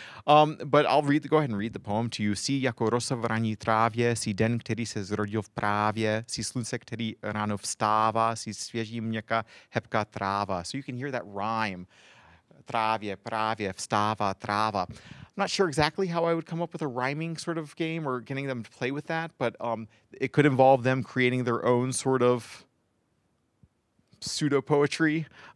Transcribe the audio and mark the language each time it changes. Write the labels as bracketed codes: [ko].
[en] But I'll go ahead and read the poem to you. [cs] Si jako rosa v raní trávě, si den, který se zrodil v právě, si slunce, který ráno vstává, si svěží měka hebká tráva. [en] So you can hear that rhyme. [cs] Trávě, právě, vstává, tráva. [en] I'm not sure exactly how I would come up with a rhyming sort of game or getting them to play with that, but it could involve them creating their own sort of pseudo-poetry.